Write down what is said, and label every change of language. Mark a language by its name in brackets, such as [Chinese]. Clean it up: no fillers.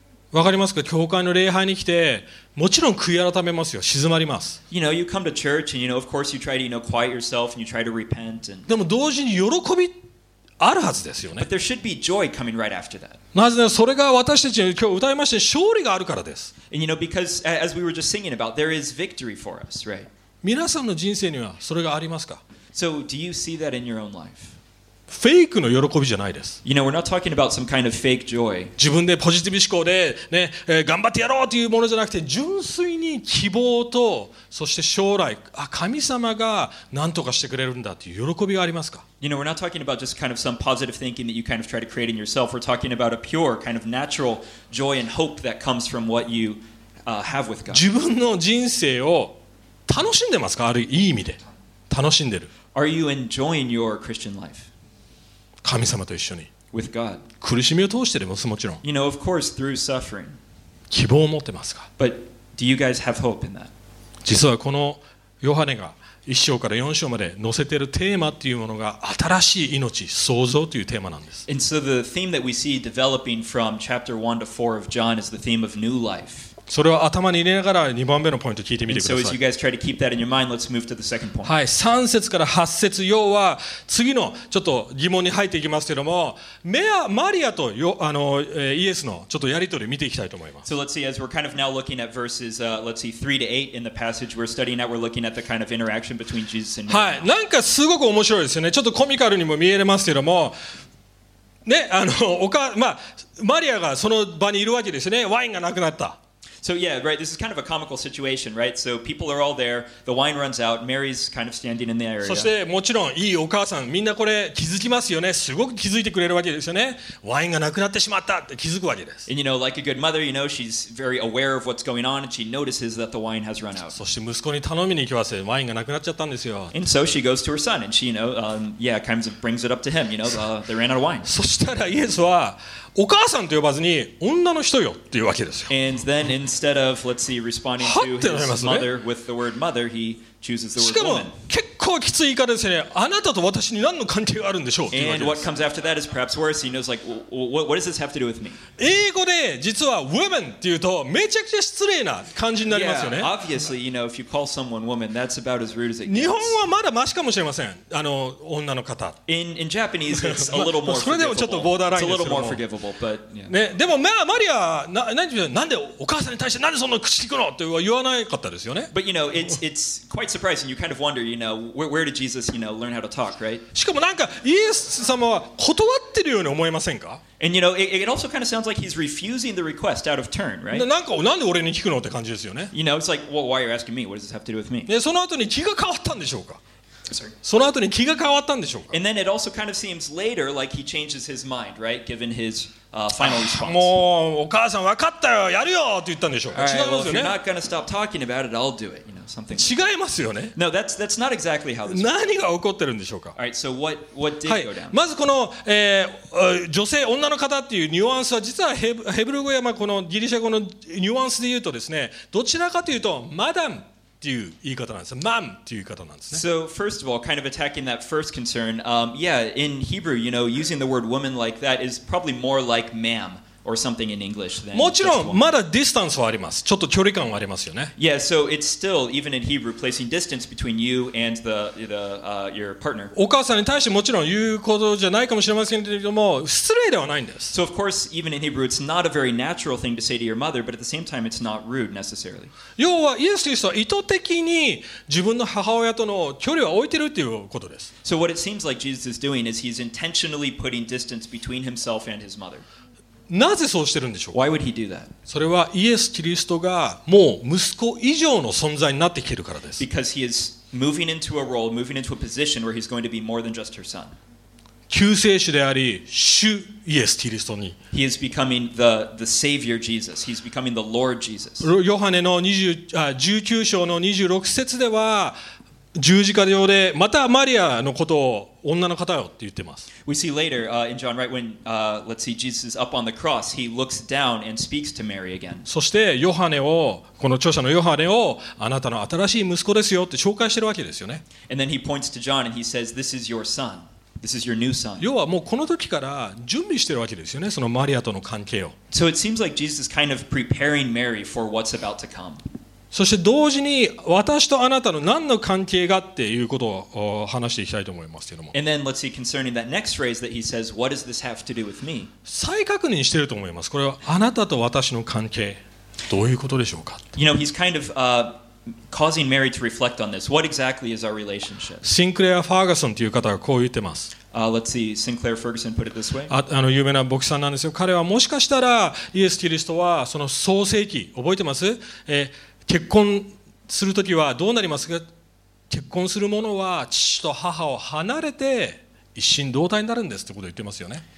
[Japanese] わかりますか？教会の礼拝に来て、もちろん悔い改めますよ。静まります。 [English] You know, you come to church and you know, of course, you try to you know quiet yourself and you try to repent. And... [Japanese] でも同時に喜びあるはずですよね。 [English] But there should be joy coming right after that. [Japanese] なぜならそれが私たちに今日歌いました勝利があるからです。 [English] And you know, because as we were just singing about, there is victory for us, right? [Japanese] 皆さんの人生にはそれがありますか？ [English] So, do you see that in your own life? [Japanese] フェイクの喜びじゃないです。 [English] You know, we're not talking about some kind of fake joy. [Japanese] 自分でポジティブ思考で、ね、頑張ってやろうというものじゃなくて、純粋に希望と、そして将来、あ、神様が何とかしてくれるんだという喜びがありますか？ [English] You know, we're not talking about just kind of some positive thinking that you kind of try to create in yourself. We're talking about a pure kind of natural joy and hope that comes from what you have with God. [Japanese] 自分の人生を楽しんでますか？ある意味で楽しんでる。 [English] Are you enjoying your Christian life? [Japanese] 神様と一緒に。 [English] With God. [Japanese] 苦しみを通してでももちろん。 [English] You know, of course, through suffering. [Japanese] 希望を持ってますか？ [English] But do you guys have hope in that? [Japanese] 実はこのヨハネが1章から4章まで載せているテーマっていうものが新しい命、創造というテーマなんです。 [English] And so the theme that we see developing from chapter 1 to 4 of John is the theme of new life. [Japanese] それを頭に入れながら2番目のポイントを聞いてみてください。 [English] So as you guys try to keep that in your mind, let's move to the second point. [Japanese] はい、3節から8節、要は次のちょっと疑問に入っていきますけども、マリアとイエスのちょっとやり取りを見ていきたいと思います。 [English] So let's see, as we're kind of now looking at verses, let's see, 3 to 8 in the passage we're studying at, we're looking at the kind of interaction between Jesus and Mary. [Japanese] はい、なんかすごく面白いですよね。ちょっとコミカルにも見えますけども、ね、まあ、マリアがその場にいるわけですね。ワインがなくなった。 [English] So yeah, right, this is kind of a comical situation, right? So people are all there, the wine runs out, Mary's kind of standing in the area. [Japanese] そしてもちろんいいお母さん、みんなこれ気づきますよね。すごく気づいてくれるわけですよね。ワインがなくなってしまったって気づくわけです。 [English] And you know, like a good mother, you know, she's very aware of what's going on and she notices that the wine has run out. [Japanese] そして息子に頼みに行きます。ワインがなくなっちゃったんですよ。 [English] And so she goes to her son and she, you know, yeah, kind of brings it up to him, you know, they ran out of wine. [Japanese] そしたらイエスはお母さんと呼ばずに女の人よっていうわけですよ。 [English] And then instead of, let's see, responding to his mother with the word mother, he chooses the word woman. [Japanese] しかも結構きついからですね、あなたと私に何の関係があるんでしょう。 [English] And what comes after that is perhaps worse. He knows like, what does this have to do with me? [Japanese] 英語で実は women っていうとめちゃくちゃ失礼な感じになりますよね。 [English] Yeah, obviously, you know, if you call someone woman, that's about as rude as it gets. [Japanese] 日本はまだマシかもしれません。あの女の方。 [English] In Japanese, it's a little more [Japanese] それでもちょっとボーダーラインですけど。 [English] A little more forgivable, but yeah. [Japanese] ね、でもまあマリア、なんでお母さんに対してなんでそんな口利くのっては言わないかったですよね。 [English] But you know, it's quite surprising. You kind of wonder, you know, where did Jesus, you know, learn how to talk, right? [Japanese] しかもなんかイエス様は断ってるように思えませんか？ [English] And you know, it also kind of sounds like he's refusing the request out of turn, right? [Japanese] なんかなんで俺に聞くのって感じですよね。 [English] You know, it's like, well, why are you asking me? What does this have to do with me? [Japanese] で、その後に気が変わったんでしょうか？ [English] Sorry. [Japanese] その後に気が変わったんでしょうか？ [English] And then it also kind of seems later like he changes his mind, right? Given his final response. [Japanese] もうお母さん分かったよ、やるよって言ったんでしょうか？ [English] All right, [Japanese] 違いますよね。 [English] Well, if you're not going to stop talking about it, I'll do it. [Japanese] 違いますよね。 [English] No, that's not exactly how this works. [Japanese] 何が起こってるんでしょうか。 [English] All right, so what did、 [Japanese] はい、 [English] go down? [Japanese] まずこの、女性女の方っていうニュアンスは実はヘブル語やまあこのギリシャ語のニュアンスで言うとですね、どちらかというとマダムっていう言い方なんです。マムっていう言い方なんですね。 [English] So first of all, kind of attacking that first concern, yeah, in Hebrew, you know, using the word woman like that is probably more like ma'am. Or something in English, then. [Japanese] もちろんまだディスタンスはあります。ちょっと距離感はありますよね。 [English] Yeah, so it's still even in Hebrew placing distance between you and your partner. [Japanese] お母さんに対してもちろん言うことじゃないかもしれませんけれども、失礼ではないんです。 [English] So of course, even in Hebrew, it's not a very natural thing to say to your mother, but at the same time, it's not rude necessarily. [Japanese] 要はイエス・キリストは意図的に自分の母親との距離は置いてるっていうことです。 [English] So what it seems like Jesus is doing is he's intentionally putting distance between himself and his mother. [Japanese] なぜそうしてるんでしょう。 [English] Why would he do that? [Japanese] それはイエス・キリストがもう息子以上の存在になってきてるからです。 [English] Because he is moving into a role, moving into a position where he's going to be more than just her son. [Japanese] 救世主であり、主イエス・キリストに。 [English] He is becoming the Savior Jesus. He's becoming the Lord Jesus. [Japanese] ヨハネの19章の26節では十字架上でまたマリアのことを女の方よって言ってます。 [English] We see later, in John, right when, let's see, Jesus is up on the cross, he looks down and speaks to Mary again. [Japanese] そしてヨハネを、この著者のヨハネを、あなたの新しい息子ですよって紹介してるわけですよね。 [English] And then he points to John and he says, this is your son. This is your new son. [Japanese] 要はもうこの時から準備してるわけですよね、そのマリアとの関係を。 [English] So it seems like Jesus is kind of preparing Mary for what's about to come. [Japanese] そして同時に私とあなたの何の関係がっていうことを話していきたいと思いますけども。 [English] And then let's see concerning that next phrase that he says, what does this have to do with me? [Japanese] 再確認してると思います。これはあなたと私の関係どういうことでしょうか。 [English] You know, he's kind of causing Mary to reflect on this. What exactly is our relationship? [Japanese] シンクレア・ファーガソンという方がこう言ってます。 [English] Let's see, Sinclair Ferguson put it this way. [Japanese] あの有名な牧師さんなんですよ。彼はもしかしたらイエス・キリストはその創世記覚えてます？結婚するときはどうなりますか？結婚する者は父と母を離れて一心同体になるんですってことを言ってますよね。